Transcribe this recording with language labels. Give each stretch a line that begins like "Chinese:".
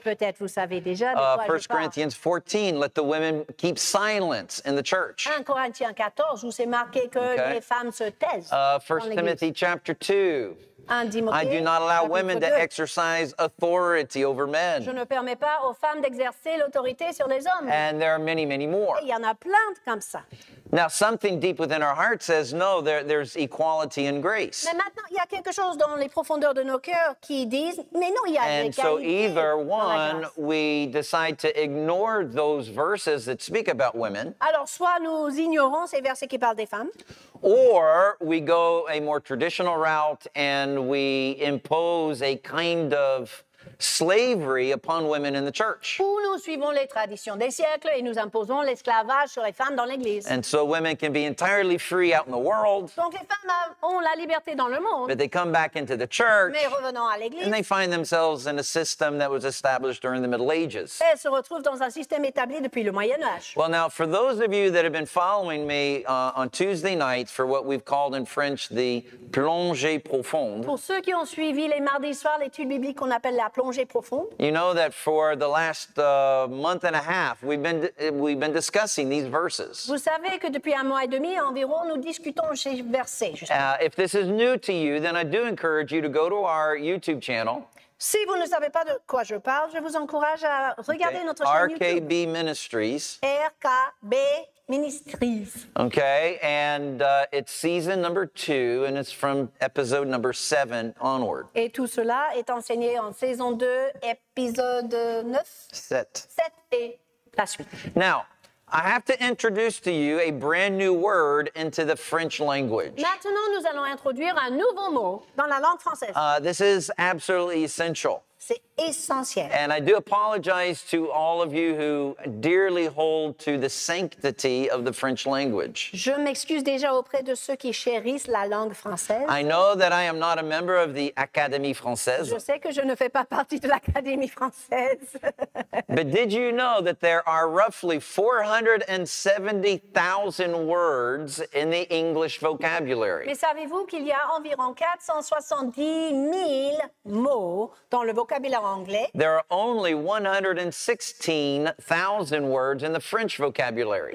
French: Et peut-être vous savez déjà de quoi je parle.
English: 1 Corinthians 14, let the women keep silence in the church.
French: 1 Corinthiens 14, où c'est marqué que okay. Les femmes se taisent.
English: 1 Timothy chapter 2. I do not allow women to exercise authority over men.
French: Je ne permets pas aux femmes d'exercer l'autorité sur les hommes.
English: And there are many, many more.
French: Et il y en a plein comme ça.
English: Now, something deep within our heart says, no, there's equality in grace.
French: Mais maintenant, il y a quelque chose dans les profondeurs de nos cœurs qui disent, mais non, il y a l'égalité.
English: And so either one, we decide to ignore those verses that speak about women.
French: Alors, soit nous ignorons ces versets qui parlent des femmes.
English: Or we go a more traditional route and we impose a kind of slavery upon women in the church.
French: Ou nous suivons les traditions des siècles et nous imposons l'esclavage sur les femmes dans l'Église.
English: And so women can be entirely free out in the world.
French: Donc les femmes ont la liberté dans le monde.
English: But they come back into the church.
French: Mais revenant à l'Église.
English: And they find themselves in a system that was established during the Middle Ages.
French: Elles se retrouvent dans un système établi depuis le Moyen Âge.
English: Well, now for those of you that have been following me on Tuesday nights for what we've called in French the plongée profonde.
French: Pour ceux qui ont suivi les mardis soirs l'étude biblique qu'on appelle la plongée profonde.
English: You know that for the last month and a half, we've been discussing these verses.
French: Vous savez que depuis un mois et demi environ, nous discutons ces versets.
English: If this is new to you, then I do encourage you to go to our YouTube channel.
French: Si vous ne savez pas de quoi je parle, je vous encourage à regarder notre chaîne RKB YouTube.
English: RKB Ministries. RKB Ministries. Okay, and it's season number 2, and it's from episode number 7 onward.
French: Et tout cela est enseigné en saison 2, épisode 9?
English: 7.
French: 7 et la suite.
English: Now, I have to introduce to you a brand new word into the French language.
French: Maintenant, nous allons introduire un nouveau mot dans la langue française.
English: This is absolutely essential.
French: C'est essentiel.
English: And I do apologize to all of you who dearly hold to the sanctity of the French language.
French: Je m'excuse déjà auprès de ceux qui chérissent la langue française.
English: I know that I am not a member of the Académie française.
French: Je sais que je ne fais pas partie de l'Académie française.
English: But did you know that there are roughly 470,000 words in the English vocabulary?
French: Mais savez-vous qu'il y a environ 470 000 mots dans le vocabulaire anglais?
English: There are only 116,000 words in the French vocabulary.